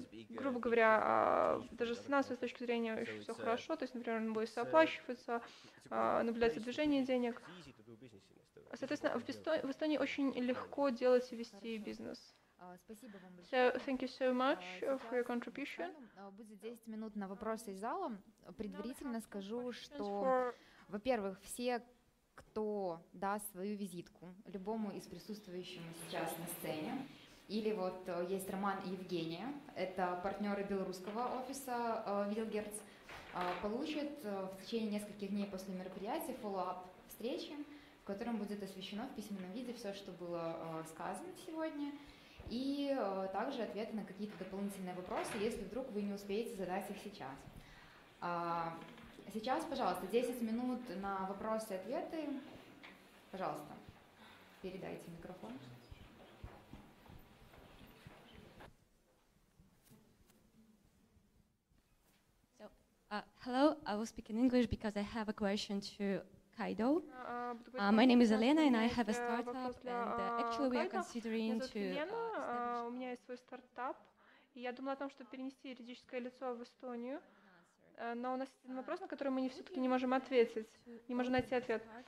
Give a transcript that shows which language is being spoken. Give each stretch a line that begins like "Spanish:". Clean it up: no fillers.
Russian: Грубо говоря, даже с финансовой точки зрения еще все хорошо, то есть, например, инвойсы оплачиваются, наблюдается движение денег. Соответственно, в Эстонии очень легко делать и вести бизнес. Спасибо вам большое.
English: So, thank you so much for your contribution.
Russian: Будет 10 минут на вопросы из зала. Предварительно скажу, что, во-первых, все, кто даст свою визитку любому из присутствующих сейчас на сцене, или вот есть Роман и Евгения, это партнеры белорусского офиса Вильгерц, получат в течение нескольких дней после мероприятия follow-up встречи, в котором будет освещено в письменном виде все, что было сказано сегодня, и также ответы на какие-то дополнительные вопросы, если вдруг вы не успеете задать их сейчас. Сейчас, пожалуйста, 10 минут на вопросы и ответы. Пожалуйста, передайте микрофон.
English: I will speak in English because I have a question to Kaido. My name is Elena and I have a startup and actually we are considering to
Russian: у меня есть свой стартап, и я думала о том, чтобы перенести юридическое лицо в Эстонию. Но у нас есть один вопрос, на который мы не все-таки не можем ответить, не можем найти ответ.